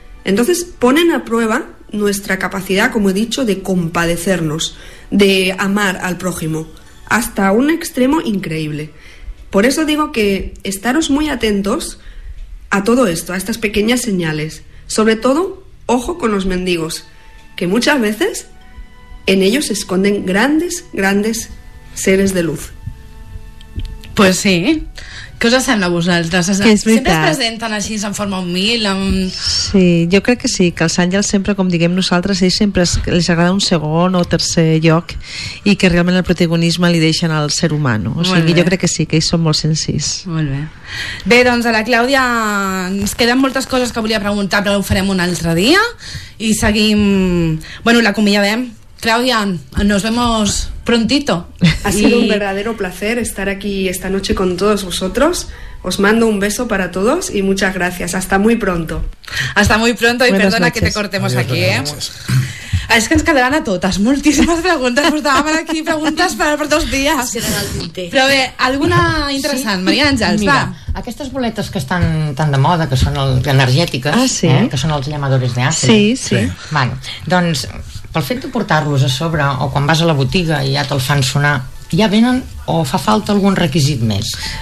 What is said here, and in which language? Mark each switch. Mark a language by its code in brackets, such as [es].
[es] Entonces ponen a prueba nuestra capacidad, como he dicho, de compadecernos, de amar al prójimo, hasta un extremo increíble. Por eso digo que estaros muy atentos a todo esto, a estas pequeñas señales. Sobre todo, ojo con los mendigos, que muchas veces en ellos se esconden grandes, grandes seres de luz. Pues sí. [ca] Què us sembla a vosaltres? Que és veritat. Sempre es presenten així, en forma humil? Amb... Sí, jo crec que sí, que els àngels sempre, com diguem nosaltres, ells sempre els agrada un segon o tercer lloc i que realment el protagonisme li deixen al ser humà. No? O sigui, jo crec que sí, que ells són molt senzills. Molt bé. Bé, doncs a la Clàudia ens queden moltes coses que volia preguntar, però ho farem un altre dia i seguim... Bueno, l'acomiadem. [es] Clàudia, nos vemos... prontito. Ha sido un verdadero placer estar aquí esta noche con todos vosotros. Os mando un beso para todos y muchas gracias. Hasta muy pronto. Hasta muy pronto y perdona que te cortemos aquí, ¿eh? Es que nos quedarán a todas muchísimas preguntas. Nos daban aquí preguntas para por dos días. [ca] Pero bé, alguna interesante, María Ángels, va. Aquestes boletes que estan tan de moda, que són energètiques, que són els llamadores de Àfrica. Sí, sí. Bueno, doncs, pel fet de portar-los a sobre o quan vas a la botiga i ja te'l fan sonar, ja venen o fa falta algun requisit més?